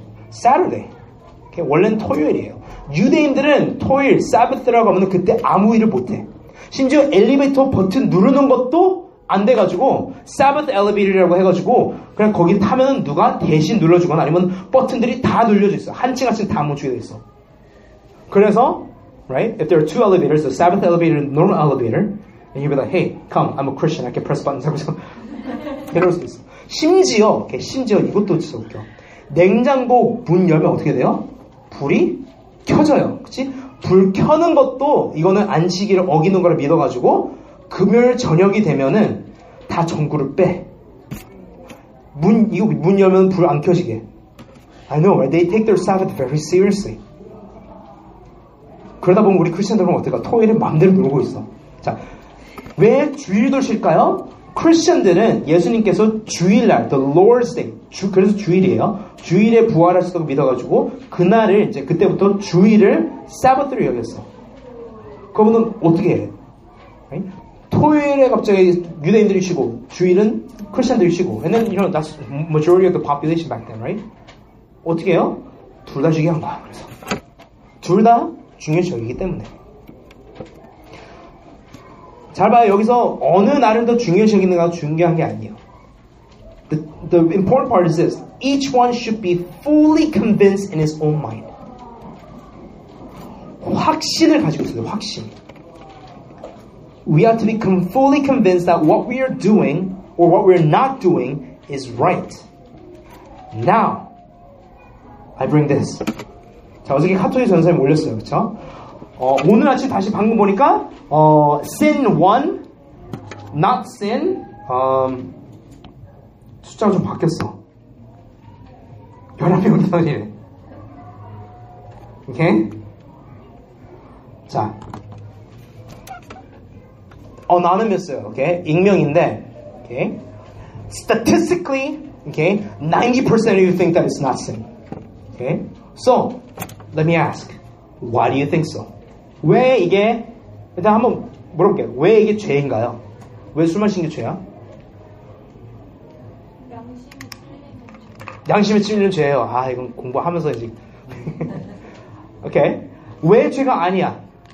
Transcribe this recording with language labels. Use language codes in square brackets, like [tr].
[ko] Saturday. Okay, 원래는 토요일이에요. 유대인들은 토요일, Sabbath라고 하면 그때 아무 일을 못해. 심지어 엘리베이터 버튼 누르는 것도 안 돼가지고, Sabbath Elevator라고 해가지고, 그냥 거기 타면 누가 대신 눌러주거나 아니면 버튼들이 다 눌려져 있어. 한층 한층 다 못 주게 돼 있어. 그래서, right? [en] If there are two elevators, the Sabbath Elevator and normal elevator, and you'll be like, hey, come, I'm a Christian, I can press buttons. [ko] 이럴 수도 있어. 심지어, 심지어 이것도 진짜 웃겨. 냉장고 문 열면 어떻게 돼요? 불이 켜져요. 그치? 불 켜는 것도 이거는 안식일을 어기는 거를 믿어가지고 금요일 저녁이 되면은 다 전구를 빼. 문, 이거 문 열면 불 안 켜지게. [en] I know, right? They take their Sabbath very seriously. [ko] 그러다 보면 우리 크리스천들은 어떨까? 토요일에 마음대로 놀고 있어. 자, 왜 주일도 쉴까요? 크리스천들은 예수님께서 주일날, the Lord's Day, 그래서 주일이에요. 주일에 부활하셨다고 믿어가지고 그날을 이제 그때부터 주일을 Sabbath로 여겼어. 그러면 어떻게 해? [en] Right? [ko] 토요일에 갑자기 유대인들이 쉬고 주일은 크리스천들이 쉬고 [en] And then, you know, that's majority of the population back then, right? [ko] 어떻게 해요? 둘 다 쉬게 한 거야, 그래서. 둘 다 중요시 여기기 때문에. 잘 봐요. 여기서 어느 날은 더 중요시하겠는가 중요한 게 아니에요. [en] The important part is this. Each one should be fully convinced in his own mind. [ko] 확신을 가지고 있어요. 확신. [en] We have to be fully convinced that what we are doing or what we are not doing is right. Now, I bring this. [ko] 자, 어저께 카톡에 전사님 올렸어요. 그쵸? 오늘 아침 다시 방금 보니까 [en] sin 1, not sin, [ko] 숫자가 좀 바뀌었어. 11명이래. Okay? 자, 나는 몇 써요? Okay? 익명인데, [en] okay? Statistically, okay? 90% of you think that it's not sin. Okay? So, let me ask, why do you think so? [ko] 왜 이게, 일단 한번 물어볼게요. 왜 이게 죄인가요? 왜 술 마시는 게 죄야? 양심이 찔리는 죄. 양심이 찔리는 죄예요. 아, 이건 공부하면서 이제. Okay? 왜 죄가 아니야?